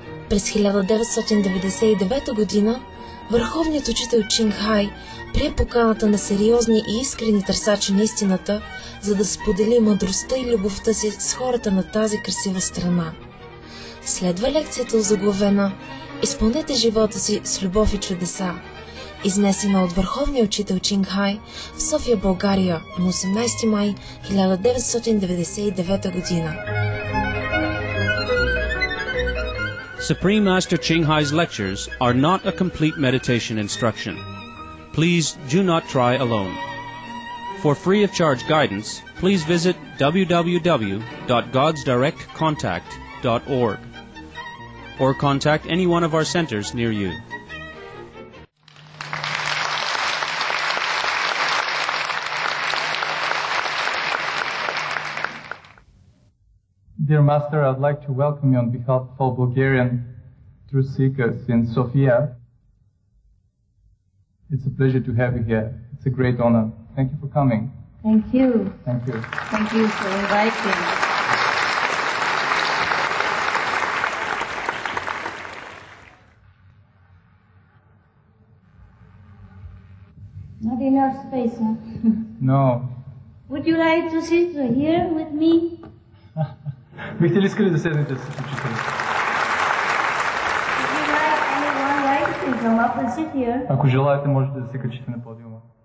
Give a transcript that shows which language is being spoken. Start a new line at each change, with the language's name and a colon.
Bulgarian: През 1999 година върховният учител Чинг Хай прие поканата на сериозни и искрени търсачи на истината, за да сподели мъдростта и любовта си с хората на тази красива страна. Следва лекцията озаглавена «Изпълнете живота си с любов и чудеса», изнесена от върховния учител Чинг Хай в София, България на 18 май 1999 година.
English: Supreme Master Ching Hai's lectures are not a complete meditation instruction. Please do not try alone. For free of charge guidance, please visit www.godsdirectcontact.org or contact any one of our centers near you. Dear Master, I'd like to welcome you on behalf of all Bulgarian truth seekers in Sofia. It's a pleasure to have you here. It's a great honor. Thank you for coming. Thank you. Thank you. Thank you for inviting me. Not enough space, huh? No. Would you like to sit here with me?
Bulgarian: Бихте ли искали да седнете с учителя? Ако желаете, можете да се качите на подиума.